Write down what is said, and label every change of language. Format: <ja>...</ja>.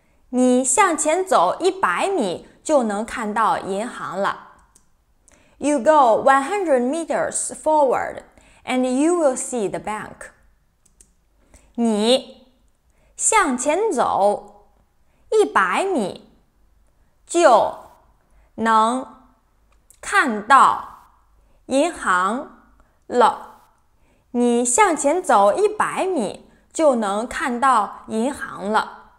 <zh>你向前走100米,就能看到银行了。</zh> <en>You go 100 meters forward, and you will see the bank.</en> <zh>你向前走100米就能看到银行了。你向前走100米就能看到银行了。</zh>